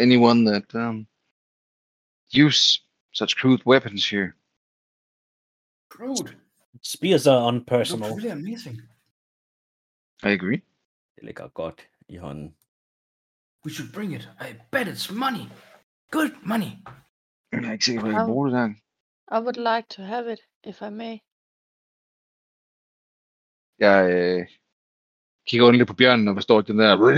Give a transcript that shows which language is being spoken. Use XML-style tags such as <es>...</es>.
<en>Anyone that use such crude weapons here? Crude? Spears are unpersonal. Really amazing. I agree.</en> <da>Det ligger godt. I hånden.</da> <en>We should bring it. I bet it's money. Good money.</en> <da>Jeg er ikke sikker på, at jeg bruger det der.</da> <en>I would like to have it, if I may.</en> <da>Jeg kigger ordentligt på bjørnen, og forstår den der...</da>